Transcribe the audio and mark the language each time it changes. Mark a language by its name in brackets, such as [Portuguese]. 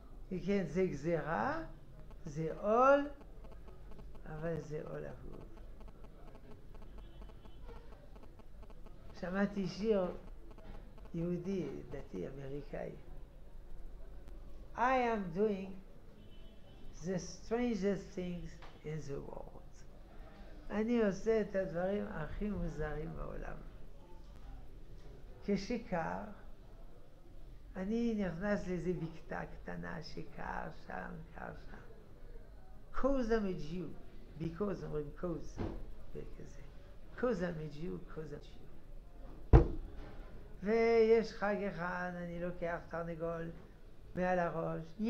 [Hebrew] כן, זה גזרה, זה עול, אבל זה עול עבור. שמעתי שיר יהודי, דתי, אמריקאי. [English] I am doing the strangest things in the world. [Hebrew] אני עושה את הדברים הכי מוזרים בעולם. כשקר, אני נכנס לאיזה בקתה קטנה שקר שם, קר שם. [English] Cause I'm a Jew, because I'm a cause. Cause I'm a Jew, cause I'm a Jew. [Hebrew] ויש חג אחד, אני לוקח תרנגול מעל הראש.